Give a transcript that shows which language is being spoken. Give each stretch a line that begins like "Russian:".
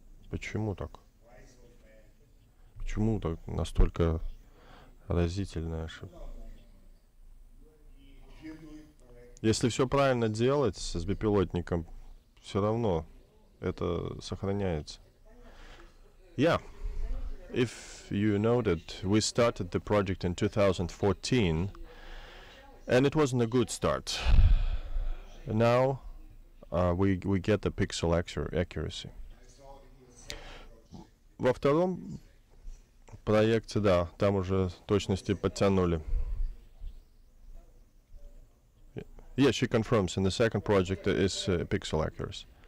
Russian: Почему так? Почему так настолько разительная ошибка? Если все правильно делать с беспилотником, все равно это сохраняется.
English: If you noted, we started the project in 2014, and it wasn't a good start. Now we get the pixel accuracy.
Russian: Во втором проекте, да, там уже точности подтянули.
English: Yes, she confirms, in the second project is pixel accuracy.